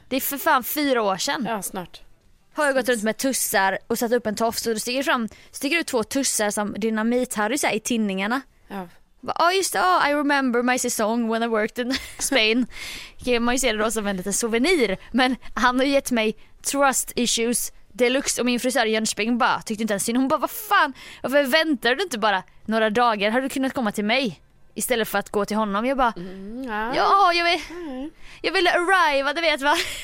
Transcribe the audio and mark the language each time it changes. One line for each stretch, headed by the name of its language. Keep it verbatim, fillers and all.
Swedish: Det är för fan fyra år sedan. Ja, snart. Har jag gått runt med tussar och satt upp en tofs och det sticker fram, sticker ut två tussar som dynamit här och så här i tinningarna. Ja. Ja, just det.
English: Oh, I remember my säsong when I worked in Spain.
Swedish: Man ser det då som en liten souvenir. Men han har gett mig
English: trust issues deluxe.
Swedish: Och min frisör i Jönköping bara tyckte inte ens synd. Hon bara, vad fan, varför väntar du inte bara några dagar? Har du kunnat komma till mig istället för att gå till honom? Jag bara, mm, ja. ja, jag vill mm. jag ville arriva, du vet vad.